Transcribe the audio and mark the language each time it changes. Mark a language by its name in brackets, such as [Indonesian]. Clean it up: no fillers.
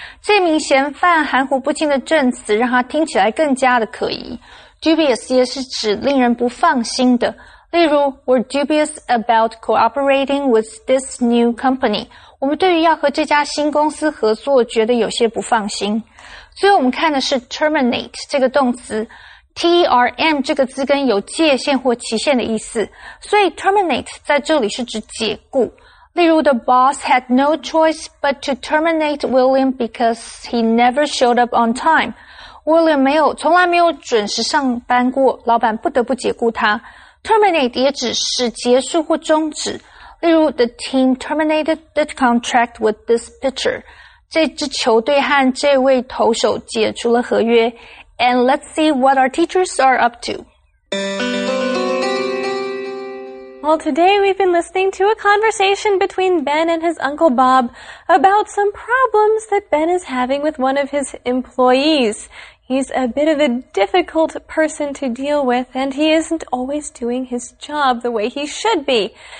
[Chinese] 这名嫌犯含糊不清的证词让他听起来更加的可疑。 Dubious 也是指令人不放心的。例如 [English] we're dubious about cooperating with this new company. [Chinese] 我们对于要和这家新公司合作觉得有些不放心。所以我们看的是 terminate 这个动词。TRM 这个字根有界限或期限的意思，所以 terminate 在这里是指解雇。例如 [English] the boss had no choice but to terminate William because he never showed up on time. [Chinese] William 从来没有准时上班过，老板不得不解雇他。 Terminate 也指使结束或终止。例如 [English] the team terminated the contract with this pitcher. [Chinese] 这支球队和这位投手解除了合约。 [English] And let's see what our teachers are up to. Well, today we've been listening to a conversation between Ben and his Uncle Bob about some problems that Ben is having with one of his employees. He's a bit of a difficult person to deal with, and he isn't always doing his job the way he should be.